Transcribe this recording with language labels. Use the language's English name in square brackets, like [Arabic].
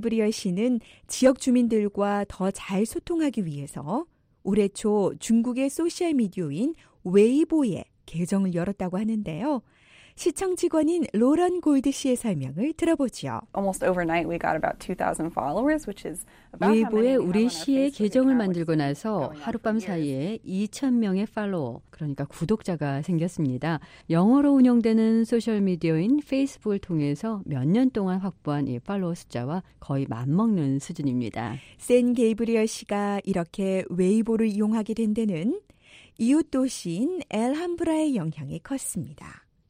[Korean] 샌게이브리얼 씨는 지역 주민들과 더 잘 소통하기 위해서 올해 초 중국의 소셜미디어인 웨이보에 계정을 열었다고 하는데요. 시청 직원인 로런 골드 씨의 설명을 들어보죠. [English] Almost overnight we got about 2,000 followers, which is about [Korean] 웨이보에 우리 씨의 계정을 만들고 나서 하룻밤 사이에 2,000명의 팔로워, 그러니까 구독자가 생겼습니다. 영어로 운영되는 소셜 미디어인 페이스북을 통해서 몇 년 동안 확보한 이 팔로워 숫자와 거의 맞먹는 수준입니다. 샌 게이브리얼 씨가 이렇게 웨이보를 이용하게 된 데는 이웃 도시인 엘함브라의 영향이 컸습니다.